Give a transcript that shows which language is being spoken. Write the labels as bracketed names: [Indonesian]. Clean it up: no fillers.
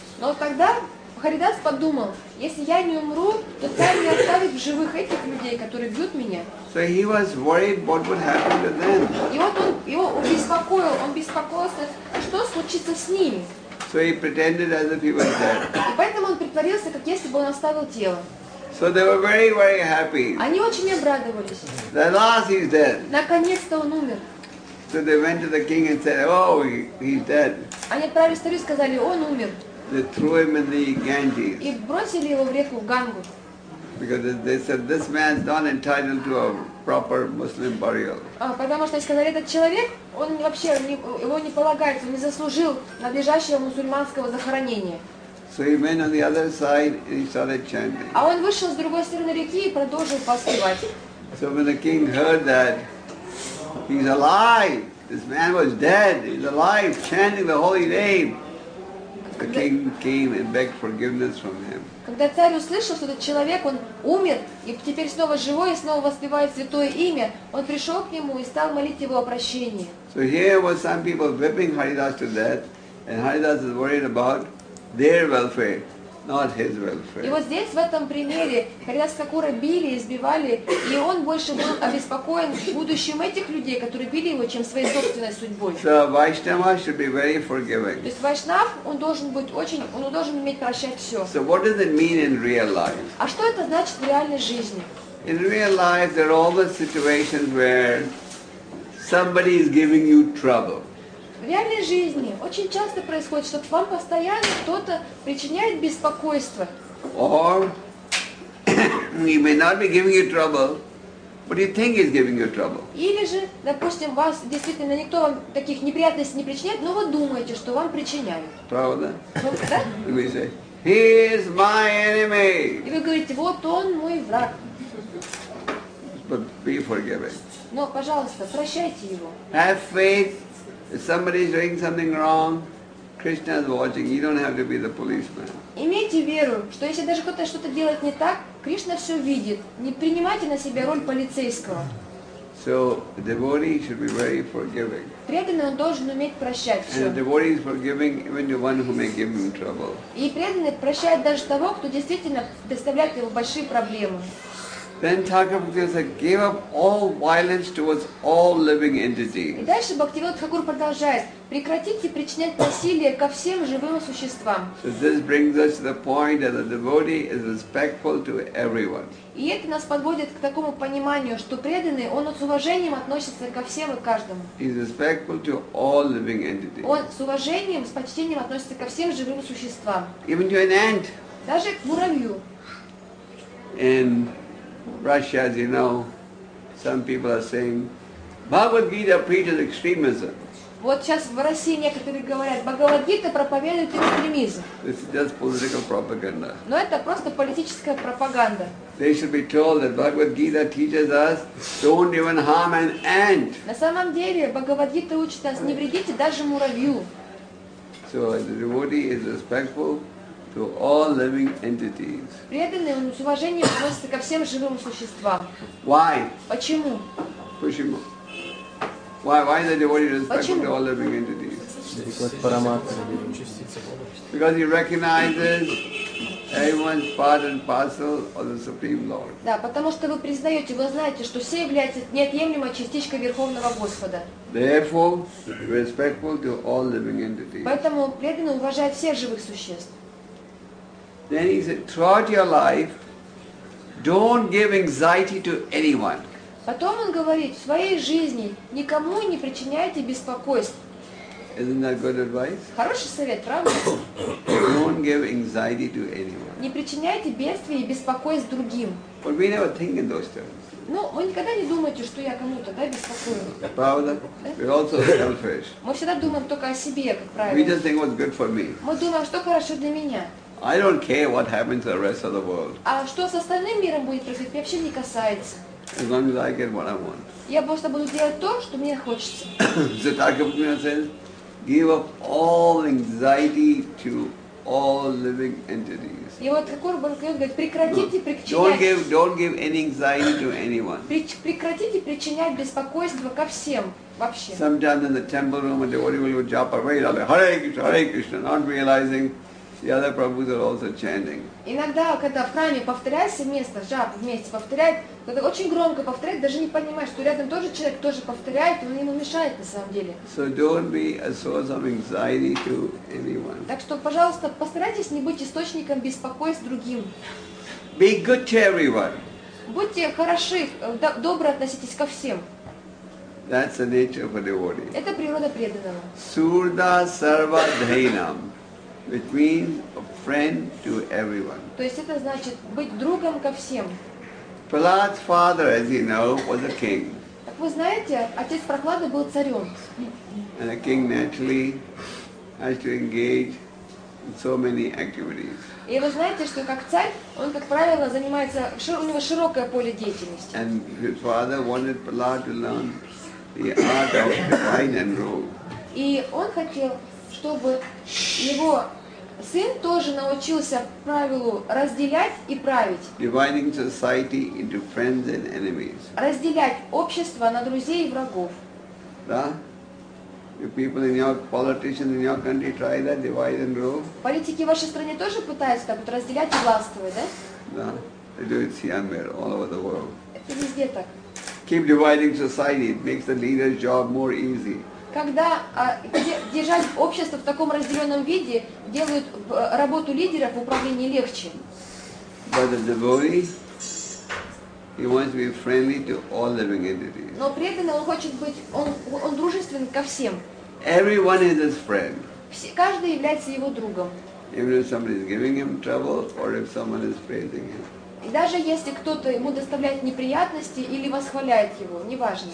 [Russian] Но тогда Харидас подумал, если я не умру, то царь не оставит в живых этих людей, которые бьют меня. [English] So he was worried what would happen to them. [Russian] И вот он его беспокоил, он беспокоился, что случится с ними. [English] So he pretended as if he was dead. [Russian] И поэтому он притворился, как если бы он оставил тело. [English] So they were very, very happy. [Russian] Они очень обрадовались. [English] At last he's dead. [Russian] Наконец-то он умер. [English] So they went to the king and said, "Oh, he's dead." [Russian] Они отправились к царю и сказали, он умер. [English] They threw him in the Ganges. [Russian] И бросили его в реку Гангу. [English] Because they said this man's not entitled to a proper Muslim burial. [Russian] А потому что сказали, этот человек, он вообще его не полагается, он не заслужил надлежащего мусульманского захоронения. [English] So he went on the other side and he started chanting. [Russian] А он вышел с другой стороны реки и продолжил поспевать. [English] So when the king heard that. He's alive. This man was dead. He's alive, chanting the holy name. The king came and begged forgiveness from him. [Russian] Когда царь услышал, что этот человек он умер и теперь снова живой и снова воспевает святое имя, он пришел к нему и стал молить его о прощении. [English] So here was some people whipping Haridas to death, and Haridas is worried about their welfare. Not his welfare. [Russian] И вот здесь, в этом примере, Харидас Такура били, избивали, и он больше был обеспокоен будущим этих людей, которые били его, чем своей собственной судьбой. [English] So Vaishnava should be very forgiving. [Russian] То есть Вайшнав, он должен быть очень, он должен уметь прощать все. [English] So what does it mean in real life? [Russian] А что это значит в реальной жизни? [English] In real life, there are always situations where somebody is giving you trouble. [Russian] В реальной жизни очень часто происходит, что к вам постоянно кто-то причиняет беспокойство. [English] Or he may not be giving you trouble, but you think he's giving you trouble. [Russian] Или же, допустим, вас действительно никто вам таких неприятностей не причиняет, но вы думаете, что вам причиняют. Правда? Да? [English] We say, he is my enemy. [Russian] И вы говорите, вот он мой враг. [English] But be forgiving. [Russian] Но, пожалуйста, прощайте его. [English] Have faith. If somebody is doing something wrong, Krishna is watching. You don't have to be the policeman. [Russian] Имейте веру, что если даже кто-то что-то делает не так, Кришна все видит. Не принимайте на себя роль полицейского. [English] So a devotee should be very forgiving. [Russian] Преданный он должен уметь прощать все. [English] And a devotee is forgiving even the one who may give him trouble. [Russian] И преданный прощает даже того, кто действительно доставляет ему большие проблемы. [English] Then Thakur Bhaktivinoda gave up all violence towards all living entities. [Russian] И дальше Бхактивинода Тхакур продолжает: прекратите причинять насилие ко всем живым существам. [English] So this brings us to the point that the devotee is respectful to everyone. [Russian] И это нас подводит к такому пониманию, что преданный он с уважением относится ко всем и каждому. [English] He is respectful to all living entities. [Russian] Он с уважением, с почтением относится ко всем живым существам. [English] Even to an ant. [Russian] Даже к муравью. [English] And Russia, as you know, some people are saying Bhagavad Gita preaches extremism. [Russian] Вот сейчас в России некоторые говорят, Бхагавад Гита проповедует экстремизм. [English] This is just political propaganda. [Russian] Но это просто политическая пропаганда. [English] They should be told that Bhagavad Gita teaches us don't even harm an ant. [Russian] На самом деле Бхагавад Гита учит нас не вредите даже муравью. [English] So the devotee is respectful to all living entities. [Russian] Преданный он с уважением относится ко всем живым существам. [English] Why? [Russian] Почему? Почему? [English] Why the devotee is respectful to all living entities? Because he recognizes everyone's part and parcel of the Supreme Lord. [Russian] Да, потому что вы признаете, вы знаете, что все являются неотъемлемой частичкой Верховного Господа. [English] Therefore, respectful to all living entities. [Russian] Поэтому преданный уважает всех живых существ. [English] Then he said, throughout your life, don't give anxiety to anyone. [Russian] Потом он говорит, в своей жизни никому не причиняйте беспокойства. [English] Isn't that good advice? [Russian] Хороший совет, правда? [English] Don't give anxiety to anyone. [Russian] Не причиняйте бедствия и беспокойств другим. [English] But we never think in those terms. [Russian] Ну, вы никогда не думаете, что я кому-то, да, беспокою. Правда? [English] We're also selfish. [Russian] Мы всегда думаем только о себе, как правило. [English] We just think what's good for me. [Russian] Мы думаем, что хорошо для меня. [English] I don't care what happens to the rest of the world. [Russian] А что с остальным миром будет происходить, меня вообще не касается. [English] As long as I get what I want. [Russian] Я просто буду делать то, что мне хочется. [English] The Thakur Bhagavan says, give up all anxiety to all living entities. [Russian] И вот Thakur Bhagavan говорит, прекратите причинять. [English] Don't give any anxiety to anyone. [Russian] Прекратите причинять беспокойство ко всем вообще. [English] Sometimes in the temple room, a devotee will japa away, Hare Krishna, not realizing. The other prabhus are also chanting. [Russian] Иногда, когда в храме повторяется место, жап вместе повторяет, когда очень громко повторяет, даже не понимаешь, что рядом тоже человек тоже повторяет, и он ему мешает на самом деле. [English] So don't be a source of anxiety to anyone. [Russian] Так что, пожалуйста, постарайтесь не быть источником беспокойств другим. [English] Be good to everyone. [Russian] Будьте хороши, добро относитесь ко всем. [English] That's the nature of a devotee. [Russian] Это природа преданного. [Sanskrit] Surda sarva dhainam. [English] Which means a friend to everyone. [Russian] То есть это значит быть другом ко всем. [English] Prahlad's father, as you know, was a king. [Russian] Так вы знаете, отец Прохлады был царем. [English] And a king naturally has to engage in so many activities. [Russian] И вы знаете, что как царь, он как правило занимается, у него широкое поле деятельности. [English] And his father wanted Prahlad to learn the art of divine and rule. [Russian] И он хотел, чтобы его сын тоже научился правилу разделять и править. [English] Dividing society into friends and enemies. [Russian] Разделять общество на друзей и врагов. Да? [English] If people in your politicians in your country try that, divide and rule. [Russian] Политики в вашей стране тоже пытаются так вот разделять и властвовать, да? Да. [English] They do it here all over the world. [Russian] Это везде так. [English] Keep dividing society, it makes the leader's job more easy. [Russian] Когда держать общество в таком разделенном виде делают работу лидера в управлении легче. [English] But the devotee, he wants to be friendly to all living entities. [Russian] Но преданный он хочет быть, он дружественен ко всем. [English] Everyone is his friend. [Russian] Каждый является его другом. [English] Even if somebody is giving him trouble or if someone is praising him. [Russian] И даже если кто-то ему доставляет неприятности или восхваляет его, неважно.